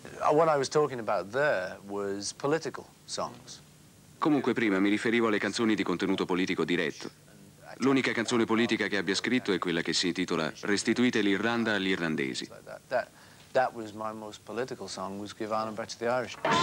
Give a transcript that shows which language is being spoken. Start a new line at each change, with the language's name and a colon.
English: What I was talking about there was political songs.
Italian: Comunque prima mi riferivo alle canzoni di contenuto politico diretto. L'unica canzone politica che abbia scritto è quella che si intitola Restituite l'Irlanda agli irlandesi.
English: That was my most political song, was Give Ireland Back to the Irish.